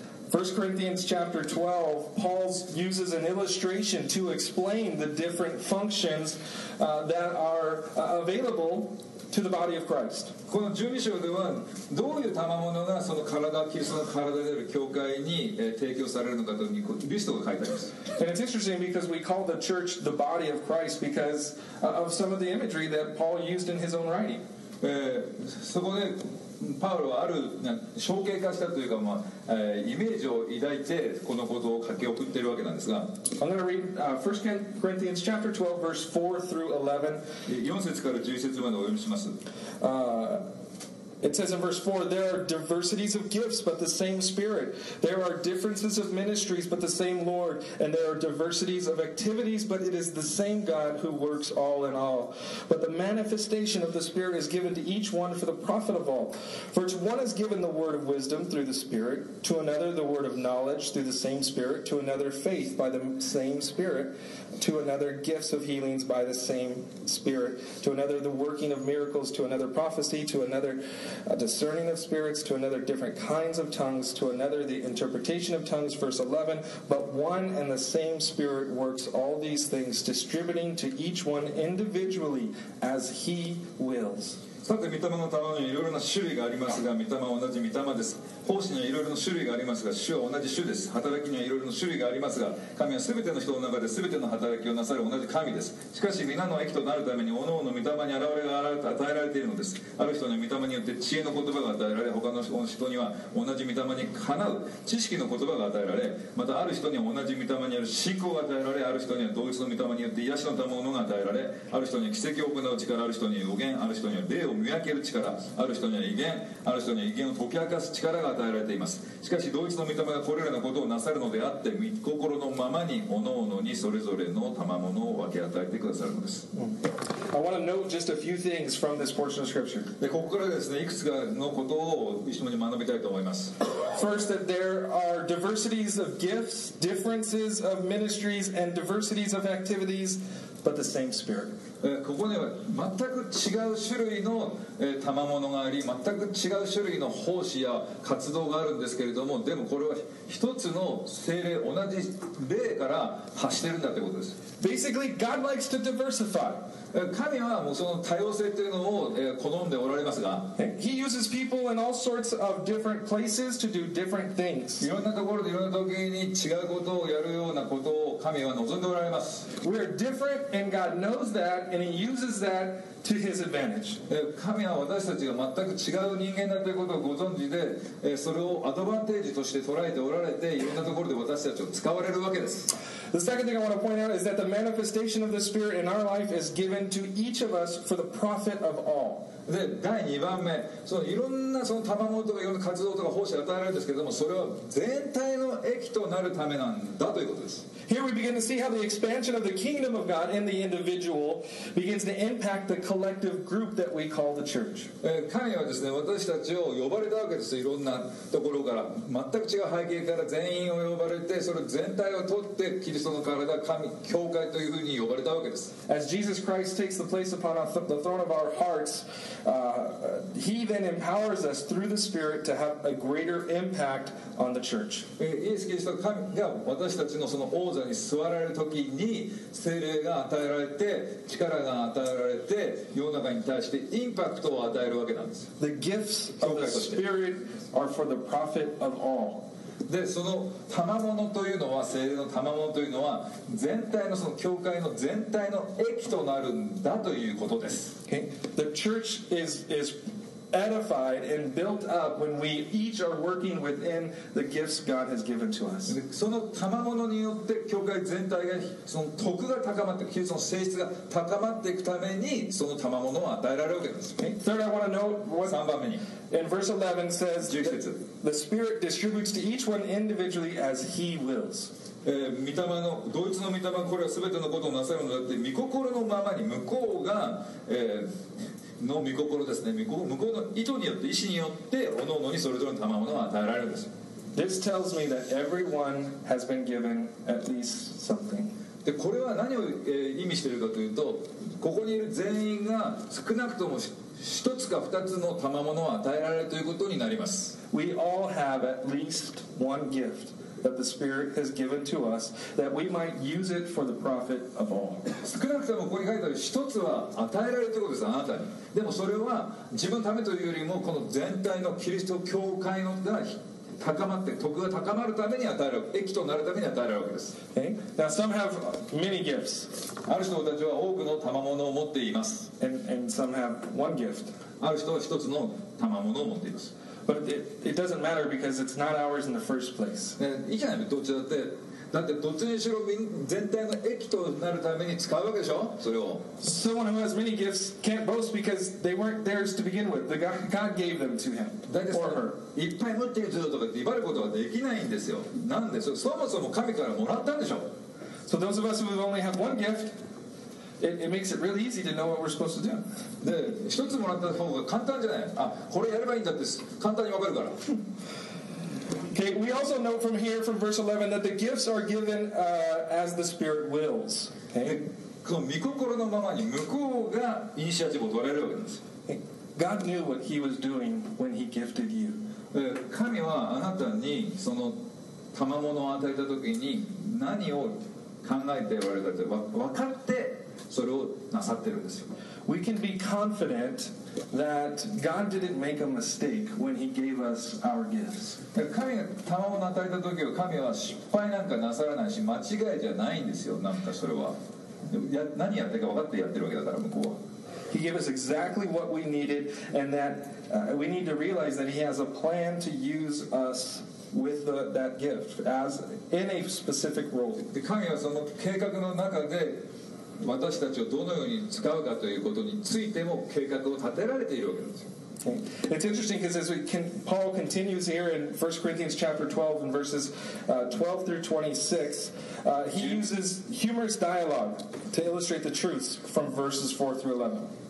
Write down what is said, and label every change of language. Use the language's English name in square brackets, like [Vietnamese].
[English] First Corinthians chapter 12, Paul uses an illustration to explain the different functions that are available to the body of Christ. [Japanese] この12章ではどういう賜物がその体、キリストの体である教会に提供されるのかというリストが書いてあります。 [English] And it's interesting because we call the church the body of Christ because of some of the imagery that Paul used in his own writing. [Japanese] そこでパウロはある象形化したというか、まあイメージを抱いてこのことを書き送っているわけなんですが、 [English] I'm going to read 1 Corinthians chapter 12 verse 4 through 11. [Japanese] 4節から11節までお読みします。 [English] It says in verse 4, there are diversities of gifts, but the same Spirit. There are differences of ministries, but the same Lord. And there are diversities of activities, but it is the same God who works all in all. But the manifestation of the Spirit is given to each one for the profit of all. For to one is given the word of wisdom through the Spirit, to another the word of knowledge through the same Spirit, to another faith by the same Spirit, to another gifts of healings by the same Spirit, to another the working of miracles, to another prophecy, to another a discerning of spirits, to another different kinds of tongues, to another the interpretation of tongues, verse 11, but one and the same Spirit works all these things, distributing to each one individually as He wills. [Japanese] さて、御霊の賜物にはいろいろな種類がありますが、御霊は同じ御霊です。奉仕にはいろいろな種類がありますが、主は同じ主です。働きにはいろいろな種類がありますが、神はすべての人の中ですべての働きをなさる同じ神です。しかし、皆の益となるために、おのおの御霊に現れが与えられているのです。ある人には御霊によって知恵の言葉が与えられ、他の人には同じ御霊にかなう知識の言葉が与えられ、またある人には同じ御霊にある信仰が与えられ、ある人には同一の御霊によって癒しの賜物が与えられ、ある人には奇跡を行う力、ある人には預言、ある人には霊を見分ける力、ある人には異言、ある人には異言を解き明かす力が与えられています。しかし同一の御霊がこれらのことをなさるのであって、御心のままに各々にそれぞれの賜物を分け与えてくださるのです。 [English] I want to note just a few things from this portion of scripture. [Japanese] で、ここからですね、いくつかのことを一緒に学びたいと思います。 [English] First, that there are diversities of gifts, differences of ministries, and diversities of activities, but the same Spirit. [Japanese] ここには全く違う種類の賜物があり、全く違う種類の奉仕や活動があるんですけれども、でもこれは一つの聖霊、同じ霊から発してるんだってことです。 [English] Basically, God likes to diversify. [Japanese] 神はもうその多様性というのを好んでおられますが、 [English] He uses people in all sorts of different places to do different things. [Japanese] いろんなところでいろんな時に違うことをやるようなことを神は望んでおられます。 [English] We are different and God knows thatAnd he uses that to his advantage. [Japanese] 神は私たちが全く違う人間だということをご存知で、それをアドバンテージとして捉えておられて、いろんなところで私たちを使われるわけです。 [English] The second thing I want to point out is that the manifestation of the Spirit in our life is given to each of us for the profit of all. [Japanese] で、第2番目、そのいろんなその賜物とかいろんな活動とか奉仕を与えられるんですけども、それは全体の益となるためなんだということです。 [English] Here we begin to see how the expansion of the kingdom of God in the individual begins to impact the collective group that we call the church. [Japanese] 神はですね、私たちを呼ばれたわけです。いろんなところから、全く違う背景から全員を呼ばれて、それ全体を取ってキリストの体、神、教会というふうに呼ばれたわけです。 [English] As Jesus Christ takes the place upon the throne of our heartsHe then empowers us through the Spirit to have a greater impact on the church. [Japanese] イエス・キリスト神が私たちのその王座に座られるときに、聖霊が与えられて、力が与えられて、世の中に対してインパクトを与えるわけなんです。 [English] The gifts of the Spirit are for the profit of all. [Japanese] で、その賜物というのは、聖霊の賜物というのは、全体のその教会の全体の益となるんだということです。 [English] Okay. The church is edified and built up when we each are working within the gifts God has given to us. [Japanese] その賜物によって教会全体がその徳が高まって、その性質が高まっていくために、その賜物を与えられるわけです。 [English] Okay. Third, I want to note what [Japanese] 3番目に [English] In verse 11 says the Spirit distributes to each one individually as He wills. [Japanese] 御霊の同一の御霊がこれは全てのことをなさるのだって、御心のままに、向こうが、の御心ですね、向こうの意図によって、意思によって、おのおのにそれぞれの賜物が与えられるんです。 [English] This tells me that everyone has been given at least something. [Japanese] でこれは何を、意味しているかというと、ここにいる全員が少なくとも一つか二つの賜物を与えられるということになります。 [English] We all have at least one giftThat the Spirit has given to us, that we might use it for the profit of all. [Japanese] 少なくともここに書いてある一つは与えられるということです、あなたに。でもそれは自分のためというよりも、この全体のキリスト教会のが高まって、徳が高まるために与える、益となるために与えられるわけです。 [English] Okay. Now some have many gifts. [Japanese] ある人たちは多くの賜物を持っています。 [English] And some have one gift. [Japanese] ある人は一つの賜物を持っています。 [English] But it doesn't matter because it's not ours in the first place. [Japanese] いいじゃない、どっちだって。だってどっちにしろ全体の益となるために使うわけでしょ、それを。 [English] Someone who has many gifts can't boast because they weren't theirs to begin with. God gave them to him or her. [Japanese] いっぱい持っている人とかって威張ることはできないんですよ。なんでそもそも神からもらったんでしょ。 [English] So those of us who only have one gift, it makes it really easy to know what we're supposed to do. [Japanese] で、一つもらった方が簡単じゃない。あ、これやればいいんだって簡単にわかるから。 [English] Okay, we also know from here, from verse 11, that the gifts are given as the Spirit wills. Okay? God knew what He was doing when He gifted you. [Japanese] 神はあなたにその賜物を与えた時に何を考えておられるかって分かってそれをなさってるんですよ。 [English] We can be confident that God didn't make a mistake when He gave us our gifts. [Japanese] 神が賜物を与えた時は神は失敗なんかなさらないし間違いじゃないんですよ。なんかそれは何やってるか分かってやってるわけだから向こうは。 [English] He gave us exactly what we needed, and that we need to realize that He has a plan to use us with that gift as in a specific role. [Japanese] 神はその計画の中で私たちをどのように使うかということについても計画を立てられているわけです。 [English] Okay. It's interesting because as Paul continues here in 1 Corinthians chapter 12 and verses 12 through 26, he uses humorous dialogue to illustrate the truths from verses 4 through 11.